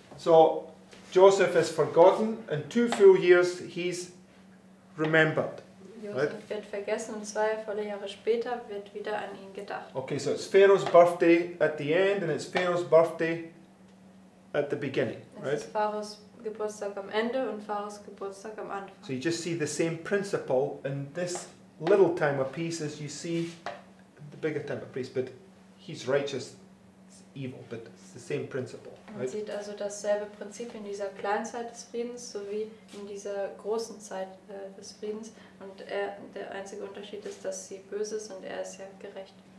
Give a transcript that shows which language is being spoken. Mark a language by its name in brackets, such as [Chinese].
[English] So, Joseph is forgotten, and 2 full years he's remembered. [German] Joseph [English] right? [German] wird vergessen, und 2 volle Jahre später wird wieder an ihn gedacht. [English] Okay, so it's Pharaoh's birthday at the end, and it's Pharaoh's birthday at the beginning, right? [German] Es ist Pharaohs Geburtstag am Ende und Pharaohs Geburtstag am Anfang. [English] So you just see the same principle in this little time of peace as you see the bigger time of peace, but he's righteous, it's evil, but it's the same principle. [German] Man sieht also dasselbe Prinzip in dieser kleinen Zeit des Friedens sowie in dieser großen Zeit des Friedens. Und der einzige Unterschied ist, dass sie böse ist und ist ja gerecht.